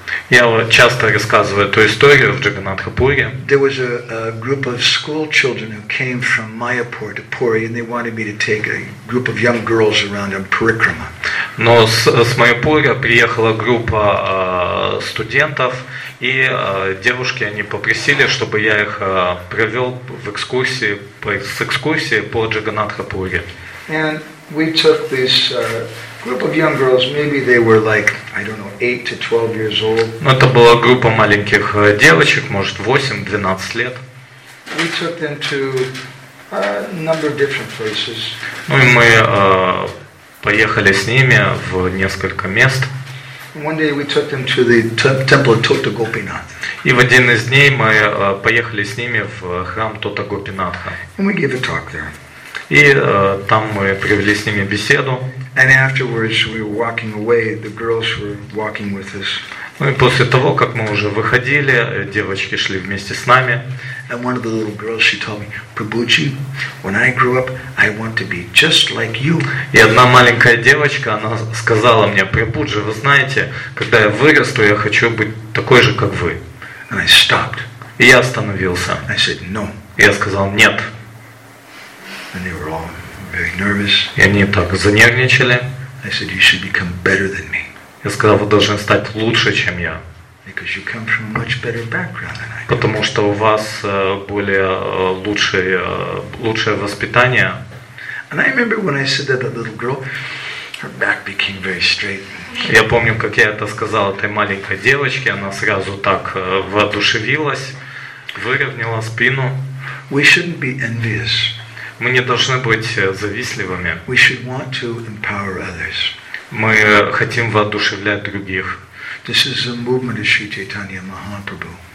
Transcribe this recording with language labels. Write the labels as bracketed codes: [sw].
[ru] Я часто рассказываю эту историю в Джаганатхапуре. [en] There was a group of school children who came from Mayapur to Puri, and they wanted me to take a group of young girls around on parikrama. [ru] Но с Майапура приехала группа студентов, и девушки они попросили, чтобы я их провел в экскурсии с экскурсии по Джаганатхапуре. [en] And we took this group of young girls. Maybe they were like, I don't know, 8 to 12 years old. [ru] Но это была группа маленьких девочек, может, 8-12 лет. [en] We took them to a number of different places. [ru] Ну и мы поехали с ними в несколько мест. [en] One day we took them to the temple of Tota Gopinath. [ru] И в один из дней мы поехали с ними в храм Тота Гопинатха. [en] And we gave a talk there. [ru] И там мы провели с ними беседу. Ну и после того, как мы уже выходили, девочки шли вместе с нами. [en] And one of the little girls, she told me, "Prabhuji, when I grow up, I want to be just like you." [ru] И одна маленькая девочка, она сказала мне: "Прабуджи, вы знаете, когда я вырасту, я хочу быть такой же, как вы." [en] And I stopped. [ru] И я остановился. [en] I said, "No." [ru] Я сказал: "Нет." [en] And they were all very nervous. [ru] И они так занервничали. [en] I said, "You should become better than me." [ru] Я сказал: "Вы должны стать лучше, чем я." [en] Because you come from a much better background than I do. [ru] Потому что у вас более лучшее воспитание. [en] And I remember when I said that to that little girl, her back became very straight. [ru] Я помню, как я это сказал этой маленькой девочке, она сразу так воодушевилась, выровняла спину. [en] We shouldn't be envious. [ru] Мы не должны быть завистливыми. [en] We should want to empower others. [ru] Мы хотим воодушевлять других. [en] This is a movement of Sri Chaitanya Mahaprabhu.